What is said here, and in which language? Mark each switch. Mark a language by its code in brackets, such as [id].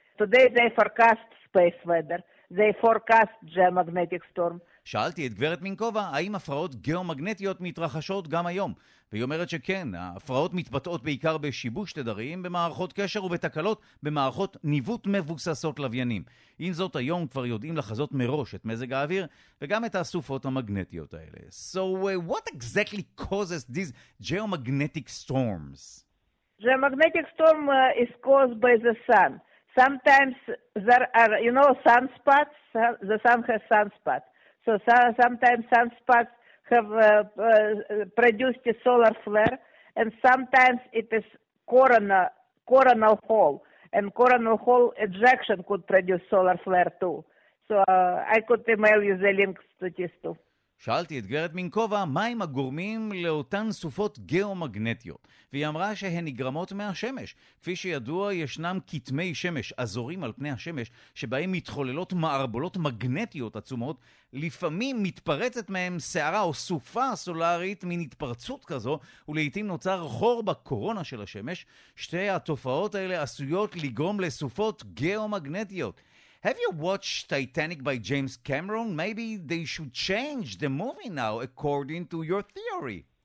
[en] Today they forecast space weather. They forecast geomagnetic storm. [he] שאלתי את גברת מינקובה, האם הפרעות גיאומגנטיות מתרחשות גם היום? והיא אומרת שכן, ההפרעות מתבטאות בעיקר בשיבוש תדרים, במערכות קשר ובתקלות, במערכות ניווט מבוססות לוויינים. עם זאת, היום כבר יודעים לחזות מראש את מזג האוויר, וגם את הסופות המגנטיות האלה. [en] So, what exactly causes these geomagnetic storms? The magnetic storm is caused by the sun. Sometimes there are, you know, sunspots. The sun has sunspots. So sometimes sunspots have produced a solar flare, and sometimes it is coronal hole, and coronal hole ejection could produce solar flare too. So I could email you the links to this too. [he] שאלתי את גברת מינקובה, מהם הגורמים לאותן סופות גיאומגנטיות? והיא אמרה שהן נגרמות מהשמש. כפי שידוע, ישנם כתמי שמש, אזורים על פני השמש, שבהם מתחוללות מערבולות מגנטיות עצומות. לפעמים מתפרצת מהם שערה או סופה סולארית מן התפרצות כזו, ולעיתים נוצר חור בקורונה של השמש. שתי התופעות האלה עשויות לגרום לסופות גיאומגנטיות. [en] Have you watched Titanic by James Cameron? Maybe they should change the movie now, according to your theory.